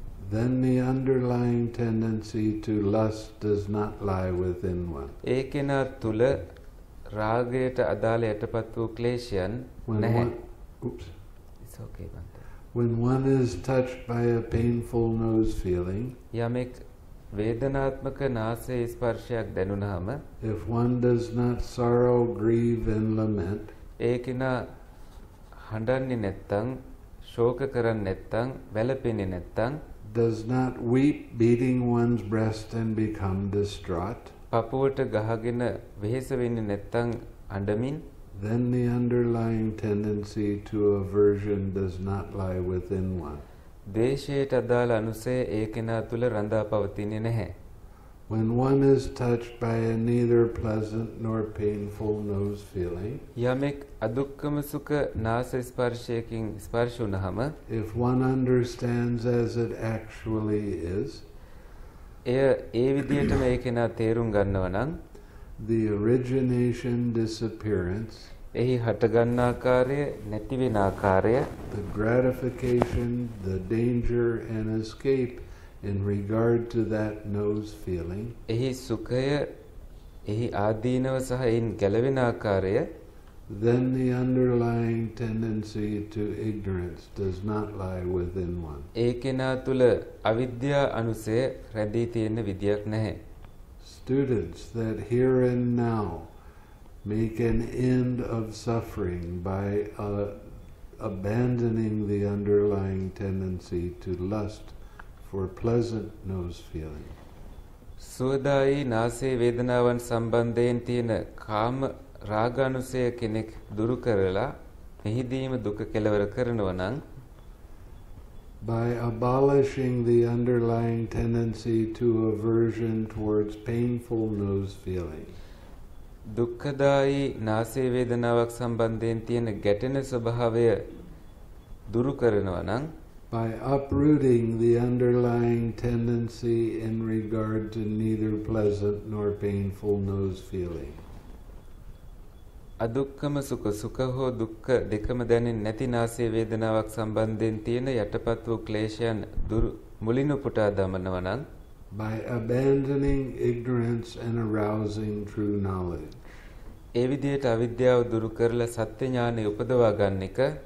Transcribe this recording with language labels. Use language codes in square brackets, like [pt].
[en] Then the underlying tendency to lust does not lie within one. [si] ඒකෙන තුල රාගයට අදාළ යටපත් වූ ක්ලේශයන් නැහැ. [en] It's okay. When one is touched by a painful nose feeling. [si] යමෙක් වේදනාත්මක නාසය ස්පර්ශයක් දැනුණාම. [en] If one does not sorrow, grieve and lament. [si] ඒකෙන හඬන්නේ නැත්තම් ශෝක කරන්නේ නැත්නම් වැළපෙන්නේ නැත්නම්. [en] Does not weep, beating one's breast and become distraught. [si] පපුවට ගහගෙන වෙහෙස වෙන්නේ නැත්නම් අඬමින්. [en] Then the underlying tendency to aversion does not lie within one. [si] දේශයට අදාළ අනුසය ඒකෙනා තුල රඳා පවතින්නේ නැහැ. [en] When one is touched by a neither pleasant nor painful nose feeling. [si] යමෙක් අදුක්කම සුඛ නාසය ස්පර්ශයකින් ස්පර්ශ වුණහම. [en] If one understands as it actually is. [si] එය ඒ විදිහටම ඒකena තේරුම් ගන්නවා නම්. [en] The origination, disappearance. [si] එහි හටගන්න ආකාරය නැති වෙන ආකාරය. [en] The gratification, the danger and escape. In regard to that nose feeling. [si] එහි සුඛය එහි ආදීනව සහ එයින් ගැලවෙන ආකාරය. [en] then the underlying tendency to ignorance does not lie within one. [si] ඒකena තුල අවිද්‍යා අනුසය රැඳී තියෙන විදියක් නැහැ. [en] Students that here and now make an end of suffering by abandoning the underlying tendency to lust for pleasant nose feeling. [si] සෝදායි නාසයේ වේදනාවන් සම්බන්ධයෙන් තියෙන කාම රාගනුසය කෙනෙක් දුරු කරලා මෙහිදීම දුක කෙලවර කරනවා නම් [en] By abolishing the underlying tendency to aversion towards painful nose feeling. [si] දුක්ඛදායි නාසයේ වේදනාවක් සම්බන්ධයෙන් තියෙන ගැටෙන ස්වභාවය දුරු කරනවා නම් [en] By uprooting the underlying tendency in regard to neither pleasant nor painful nose feeling. [si] අදුක්කම සුඛ සුඛ හෝ දුක්ක දෙකම දැනෙන්නේ නැති නාසයේ වේදනාවක් සම්බන්ධයෙන් තියෙන යටපත් වූ ක්ලේශයන් දුරු මුලිනු පුටා දමනවා නම් [en] By abandoning ignorance and arousing true knowledge. [si] ඒ විදිහට අවිද්‍යාව දුරු කරලා සත්‍ය ඥානය උපදවා ගන්න එක